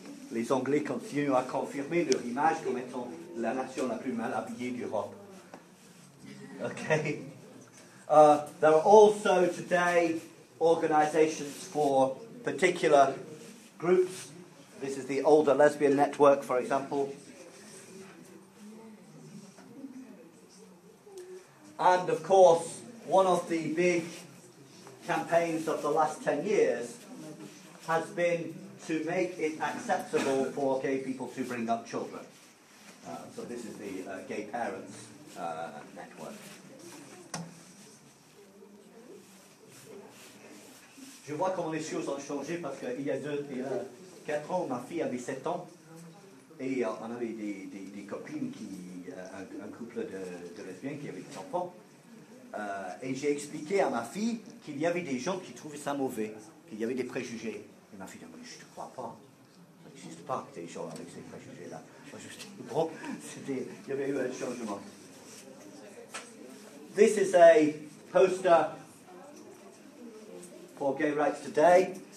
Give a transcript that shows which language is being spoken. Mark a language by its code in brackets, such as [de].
[fr] Les Anglais continuent à confirmer leur image comme étant la nation la plus mal habillée d'Europe. [en] Okay. There are also today organizations for particular groups. This is the Older Lesbian Network, for example. And of course, one of the big campaigns of the last 10 years has been to make it acceptable for gay people to bring up children. So this is the Gay Parents Network. [fr] Je vois comment les choses ont changé parce qu'il y a 4 ans, ma fille avait 7 ans et on avait des copines, un couple de lesbiennes qui avaient des enfants. Et j'ai expliqué à ma fille qu'il y avait des gens qui trouvaient ça mauvais, qu'il y avait des préjugés. Et ma fille dit, mais je ne te crois pas, ça n'existe pas que des gens avec ces préjugés-là. Moi, je dis, bon, il y avait eu un changement. [en] This is a poster for Gay Rights Today.